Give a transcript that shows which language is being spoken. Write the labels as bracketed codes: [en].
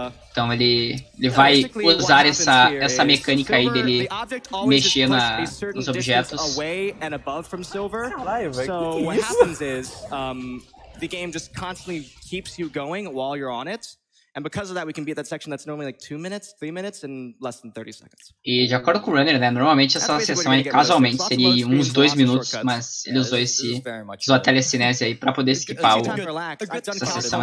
[pt] Então ele vai usar essa mecânica aí dele mexer nos objetos. [en] What happens is the game just constantly keeps you going while you're on it, and because of that, we can beat that section that's normally like 2 minutes, 3 minutes, in less than 30 seconds. [pt] E de acordo com o runner, né? Normalmente essa sessão aí casualmente seria uns 2 minutos, mas ele usou usou a telecinese aí para poder skipar essa sessão.